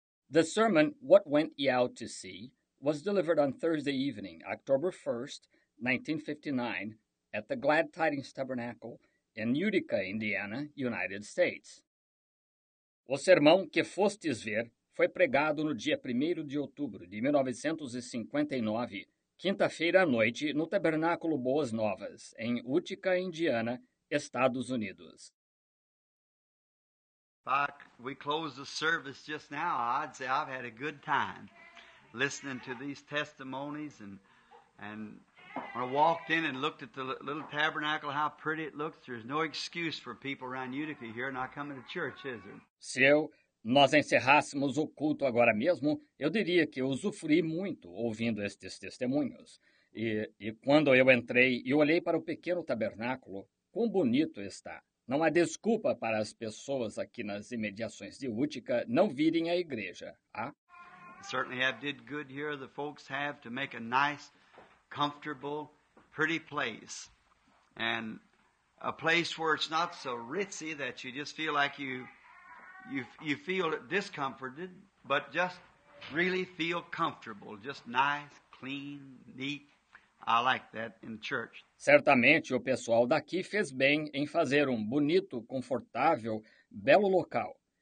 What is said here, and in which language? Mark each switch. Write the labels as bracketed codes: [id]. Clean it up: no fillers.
[en] The sermon, What Went Ye Out to See?, was delivered on Thursday evening, October 1st, 1959, at the Glad Tidings Tabernacle in Utica, Indiana, United States. [pt] O sermão que fostes ver foi pregado no dia 1 de outubro de 1959, quinta-feira à noite, no Tabernáculo Boas Novas, em Utica, Indiana, Estados Unidos. [en] Fuck, we closed the service just now. I'd say I've had a good time listening to these testimonies. And when I walked in and looked at the little tabernacle, how pretty it looks. There's no excuse for people around Utica here not coming to church, is there? [pt] Se nós encerrássemos o culto agora mesmo, eu diria que eu usufruí muito ouvindo estes testemunhos. E quando eu entrei e olhei para o pequeno tabernáculo, quão bonito está. Não há desculpa para as pessoas aqui nas imediações de Utica não virem à igreja, há? [en] Certainly have did good here, the folks have, to make a nice, comfortable, pretty place. And a place where it's not so ritzy that you just feel like you feel discomforted, but just really feel comfortable, just nice, clean, neat. I like that in church. [pt] Certamente o pessoal daqui fez bem em fazer um bonito, confortável, belo local.